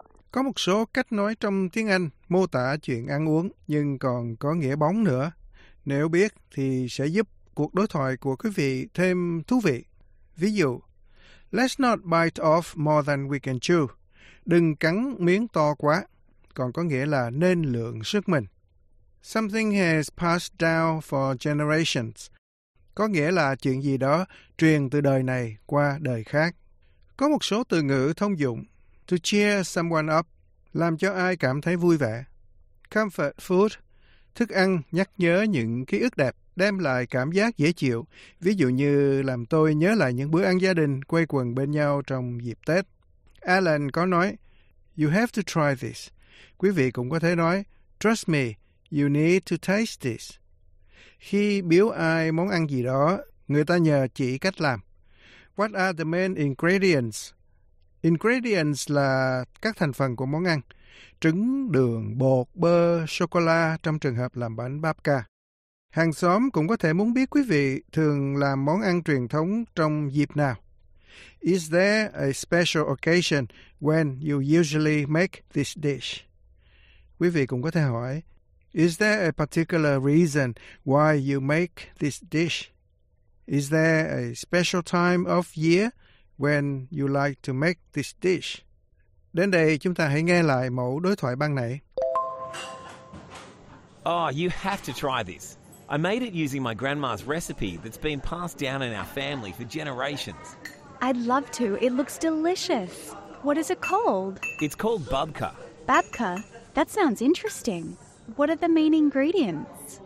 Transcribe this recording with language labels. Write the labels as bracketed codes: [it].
[vi] Có một số cách nói trong tiếng Anh mô tả chuyện ăn uống nhưng còn có nghĩa bóng nữa. Nếu biết thì sẽ giúp cuộc đối thoại của quý vị thêm thú vị. Ví dụ, [en] let's not bite off more than we can chew. [vi] Đừng cắn miếng to quá. Còn có nghĩa là nên lượng sức mình. [en] Something has passed down for generations. [vi] Có nghĩa là chuyện gì đó truyền từ đời này qua đời khác. Có một số từ ngữ thông dụng. [en] To cheer someone up, [vi] làm cho ai cảm thấy vui vẻ. Comfort food, thức ăn nhắc nhớ những ký ức đẹp, đem lại cảm giác dễ chịu, ví dụ như làm tôi nhớ lại những bữa ăn gia đình quây quần bên nhau trong dịp Tết. [en] Alan [vi] có nói, [en] you have to try this. [vi] Quý vị cũng có thể nói, [en] trust me, you need to taste this. [vi] Khi biếu ai món ăn gì đó, người ta nhờ chỉ cách làm. [en] What are the main ingredients? [vi] Ingredients là các thành phần của món ăn. Trứng, đường, bột, bơ, sô-cô-la trong trường hợp làm bánh babka. Hàng xóm cũng có thể muốn biết quý vị thường làm món ăn truyền thống trong dịp nào. [en] Is there a special occasion when you usually make this dish? [vi] Quý vị cũng có thể hỏi, [en] is there a particular reason why you make this dish? Is there a special time of year when you like to make this dish? [vi] Đến đây, chúng ta hãy nghe lại mẫu đối thoại ban nãy. [en] Oh, you have to try this. I made it using my grandma's recipe that's been passed down in our family for generations. I'd love to. It looks delicious. What is it called? It's called babka. Babka? That sounds interesting. What are the main ingredients?